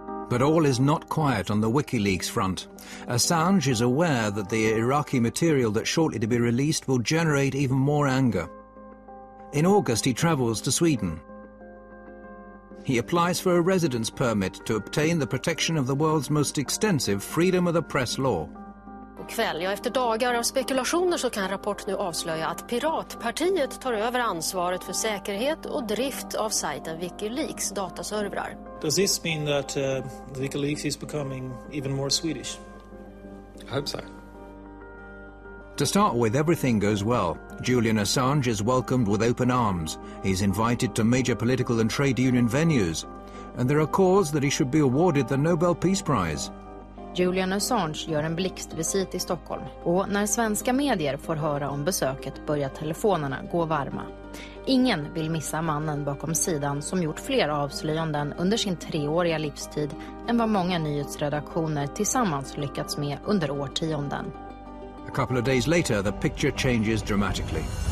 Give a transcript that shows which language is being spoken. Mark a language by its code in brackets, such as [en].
[en] But all is not quiet on the WikiLeaks front. Assange is aware that the Iraqi material that's shortly to be released will generate even more anger. In August, he travels to Sweden. He applies for a residence permit to obtain the protection of the world's most extensive freedom of the press law. [sv] Kväll, ja, efter dagar av spekulationer så kan Rapport nu avslöja att Piratpartiet tar över ansvaret för säkerhet och drift av sajten WikiLeaks dataservrar. [en] Does this mean that WikiLeaks is becoming even more Swedish? I hope so. To start with, everything goes well. Julian Assange is welcomed with open arms. He's invited to major political and trade union venues. And there are calls that he should be awarded the Nobel Peace Prize. [sv] Julian Assange gör en blixtvisit i Stockholm. Och när svenska medier får höra om besöket börjar telefonerna gå varma. Ingen vill missa mannen bakom sidan som gjort fler avslöjanden under sin treåriga livstid än vad många nyhetsredaktioner tillsammans lyckats med under årtionden. [en] A couple of days later, the picture changes dramatically.